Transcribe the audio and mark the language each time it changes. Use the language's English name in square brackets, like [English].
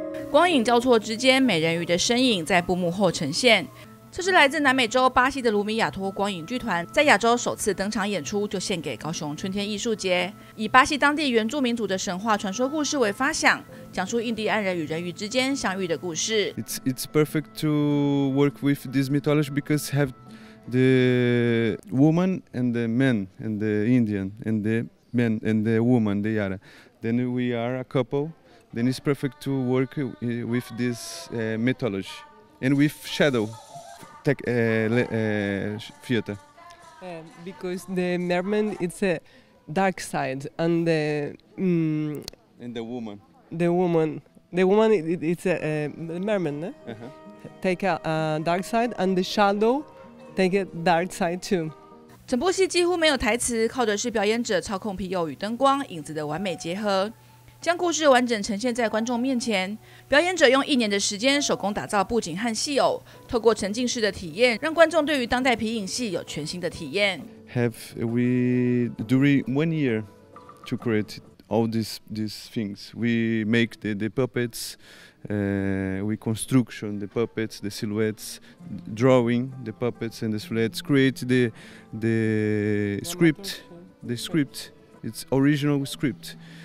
[Chinese] 光影交错之间，美人鱼的身影在布幕后呈现。这是来自南美洲巴西的卢米亚托光影剧团在亚洲首次登场演出，就献给高雄春天艺术节，以巴西当地原住民族的神话传说故事为发想，讲述印第安人与人鱼之间相遇的故事。 [English] It's perfect to work with this mythology because have the woman and the man and the Indian and the man and the woman they are. Then we are a couple. Then it's perfect to work with this mythology and with shadow. Theater. Because the merman is a dark side, and the and the woman. The woman it's a merman. Uh-huh. Take a dark side, and the shadow take a dark side too. [Chinese] 整部戏几乎没有台词，靠的是表演者操控皮肉与灯光影子的完美结合。将故事完整呈现在观众面前，表演者用一年的时间手工打造布景和戏偶，透过沉浸式的体验，让观众对于当代皮影戏有全新的体验。 [English] Have we during 1 year to create all these things? We make the puppets, we construction the puppets, the silhouettes, drawing the puppets and the silhouettes, create the script, the script, it's original script.